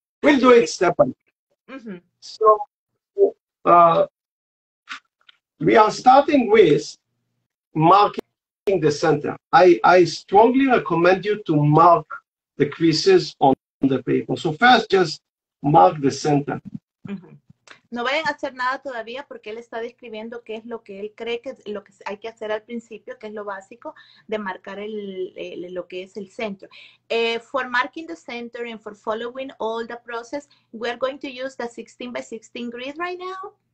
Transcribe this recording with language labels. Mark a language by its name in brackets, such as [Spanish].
[English] We'll do it step by step. So we are starting with marking the center. I strongly recommend you to mark the creases on the paper. So first just mark the center. [Spanish] No vayan a hacer nada todavía porque él está describiendo qué es lo que él cree que lo que hay que hacer al principio, que es lo básico de marcar el lo que es el centro. [English] For marking the center and for following all the process, we are going to use the 16 by 16 grid right now.